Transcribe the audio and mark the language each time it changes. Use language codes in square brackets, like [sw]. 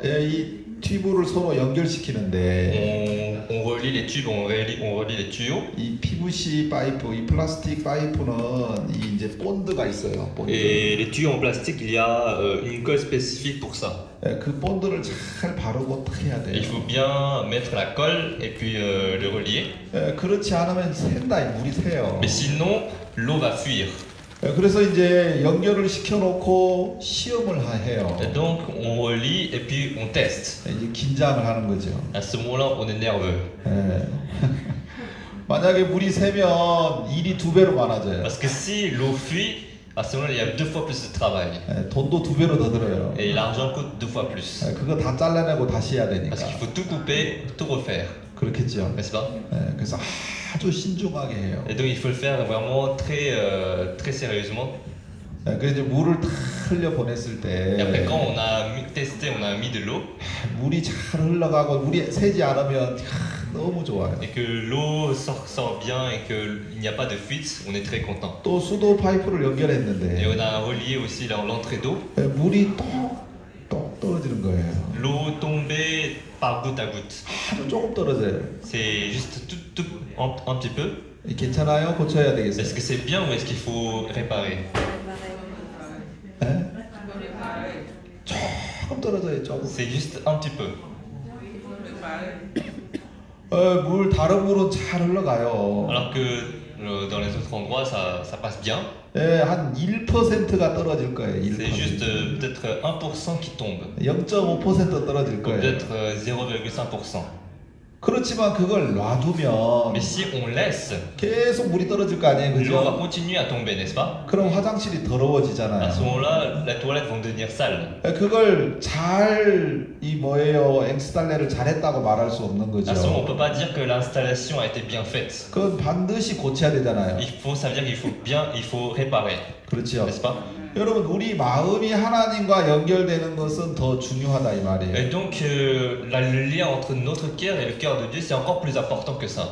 [ko] 예, 이 튜브를 서로 연결시키는데 [fr] On relie les tubes, on relie les tuyaux. [ko] 이 PVC 파이프, 이 플라스틱 파이프는 이 이제 본드가 있어요. 본드. [fr] Et les tuyaux en plastique, il y a une colle spécifique pour ça. [ko] 예, 그 본드를 잘 바르고 어떻게 해야 돼요? [fr] Il faut bien mettre la colle et puis le relier. [ko] 예, 그렇지 않으면 샌다, 물이 새요. [fr] Mais sinon, l'eau va fuir. [ko] 예, 그래서 이제 연결을 시켜놓고 시험을 해요. [fr] Et donc on relie et puis on teste. [ko] 예, 이제 긴장을 하는 거죠. [fr] À ce moment-là, on est nerveux. [ko] 예. 만약에 물이 새면 일이 두 배로 많아져요. [fr] Parce que si l'eau fuit, à ce moment-là, il y a deux fois plus de travail. [ko] 예, 돈도 두 배로 더 들어요. [fr] Et l'argent coûte deux fois plus. [ko] 예, 그거 다 잘라내고 다시 해야 되니까. [fr] Parce qu'il faut tout couper, tout refaire. [ko] 그렇겠죠. [fr] N'est-ce pas? [ko] 예, 그래서 아주 신중하게 해요. [fr] Et donc il faut le faire vraiment très sérieusement. [ko] 예, 그래서 물을 탁 흘려 보냈을 때. [fr] Et après quand on a testé, on a mis de l'eau. [ko] 물이 잘 흘러가고 물이 새지 않으면 너무 좋아요. [fr] Et que l'eau sort bien et que il n'y a pas de fuite, on est très content. [ko] 또 수도 파이프를 연결했는데. [fr] Et on a relié aussi l'entrée d'eau. [ko] 예, 물이 똥똥 떨어지는 거예요. [fr] L'eau tombait. Par goutte à goutte. [ko] 아주 조금 떨어져요. [fr] C'est juste tout un petit peu. [ko] 예, 괜찮아요? 고쳐야 되겠어요. [fr] Est-ce que c'est bien ou est-ce qu'il faut réparer? [ko] 조금 떨어져요, 조금. [fr] C'est juste un petit peu. [ko] 어, 물 다른 물은 잘 흘러가요. [fr] Alors que dans les autres endroits ça passe bien. [ko] 예, 한 1%가 떨어질 거예요. 1%. [fr] C'est juste peut-être 1% qui tombe. [ko] 0.5% 떨어질 거예요. [fr] Peut-être 0.5%. [ko] 그렇지만 그걸 놔두면 [fr] Mais si on laisse, [ko] 계속 물이 떨어질 거 아니에요. 그죠? [fr] L'eau va continuer à tomber, n'est-ce pas? [ko] 그럼 화장실이 더러워지잖아요. [fr] À ce moment-là, la toilette vont devenir sale. [ko] 그걸 잘 이 뭐예요? 엔스탈레를 잘했다고 말할 수 없는 거죠. [fr] À ce moment, on peut pas dire que l'installation a été bien faite. [ko] 그건 반드시 고쳐야 되잖아요. [fr] Il faut savoir qu'il faut bien, il faut réparer. [ko] 그렇죠. [fr] N'est-ce pas? [ko] 여러분 우리 마음이 하나님과 연결되는 것은 더 중요하다 이 말이에요. [fr] Et donc la lien entre notre cœur et le cœur de Dieu c'est encore plus important que ça.